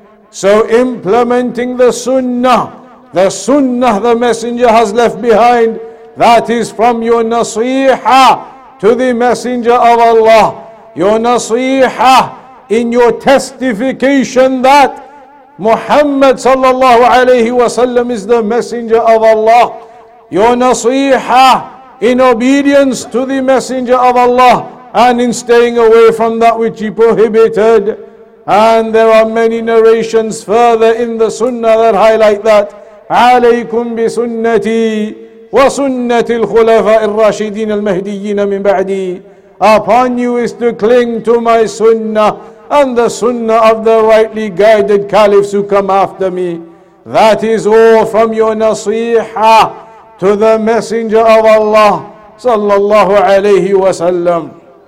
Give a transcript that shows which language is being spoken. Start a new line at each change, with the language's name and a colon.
English: So implementing the sunnah the messenger has left behind, that is from your nasiha to the messenger of Allah, your nasiha in your testification that Muhammad sallallahu alayhi wa sallam is the messenger of Allah, your nasiha in obedience to the messenger of Allah and in staying away from that which he prohibited. And there are many narrations further in the sunnah that highlight that.
Arabic: عليكم بسنتي وسنة الخلفاء الراشدين المهديين من بعدي.
English: Upon you is to cling to my sunnah and the sunnah of the rightly guided caliphs who come after me. That is all from your nasiha to the messenger of Allah sallallahu alayhi wa sallam.